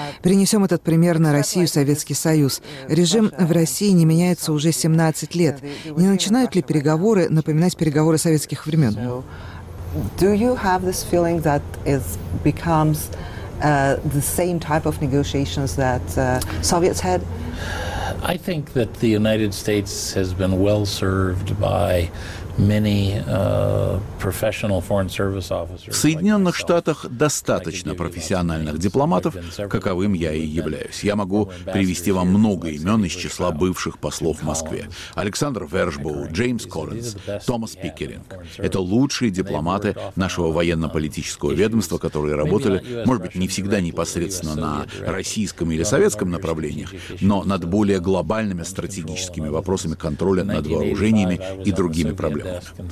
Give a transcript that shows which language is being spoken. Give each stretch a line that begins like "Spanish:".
Russian: Перенесем этот пример на Россию, Советский Союз. Режим в России не меняется уже 17 лет. Не начинают ли переговоры напоминать переговоры советских времен?
English: Do you have this feeling that it becomes the same type of negotiations that Soviets had? I think that the United States has been well served by many professional foreign service officers.
Russian: В Соединенных Штатах достаточно профессиональных дипломатов, каковым я и являюсь. Я могу привести вам много имен из числа бывших послов в Москве. Александр Вершбоу, Джеймс Коллинз, Томас Пикеринг. Это лучшие дипломаты нашего военно-политического ведомства, которые работали, может быть, не всегда непосредственно на российском или советском направлениях, но над более глобальными стратегическими вопросами контроля над вооружениями и другими проблемами.